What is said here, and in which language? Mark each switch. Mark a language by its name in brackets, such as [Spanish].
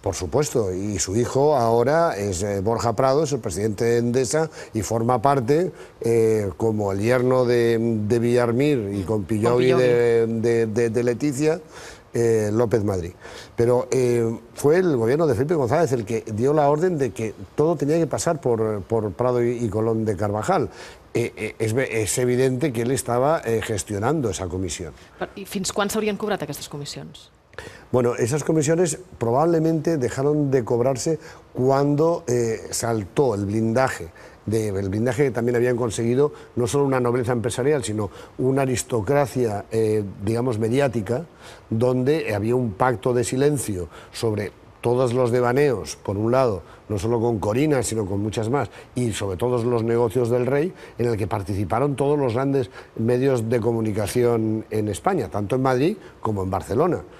[Spanish] Por supuesto, y su hijo ahora es Borja Prado, es el presidente de Endesa y forma parte, como el yerno de Villarmir y con Pillovi de Leticia, López Madrid. Pero fue el gobierno de Felipe González el que dio la orden de que todo tenía que pasar por Prado y Colón de Carvajal. Es evidente que él estaba gestionando esa comisión. [Catalan] ¿Y fins quan s'haurien cobrat aquestes comissions? [Spanish] Bueno, esas comisiones probablemente dejaron de cobrarse cuando saltó el blindaje. El blindaje que también habían conseguido no solo una nobleza empresarial, sino una aristocracia, digamos, mediática, donde había un pacto de silencio sobre todos los devaneos, por un lado, no solo con Corina, sino con muchas más, y sobre todo los negocios del rey, en el que participaron todos los grandes medios de comunicación en España, tanto en Madrid como en Barcelona.